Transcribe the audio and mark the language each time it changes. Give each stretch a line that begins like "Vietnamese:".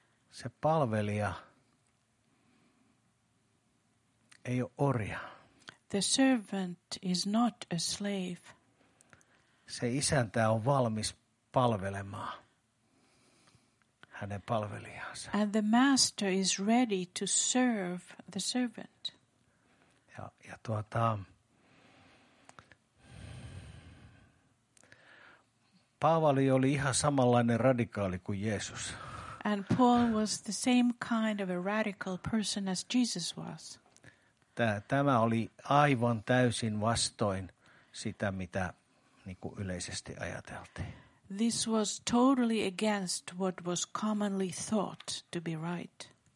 Finnish: Se palvelija ei ole orja.
English: The servant is not a slave.
Finnish: Se isäntä on valmis palvelemaan hänen palvelijansa.
English: And the master is ready to serve the servant.
Finnish: Ja Paavali oli ihan samanlainen radikaali kuin Jeesus.
English: And Paul was the same kind of a radical person as Jesus was.
Finnish: Tämä oli aivan täysin vastoin sitä, mitä yleisesti ajateltiin.
English: This was totally against what was commonly thought to be right.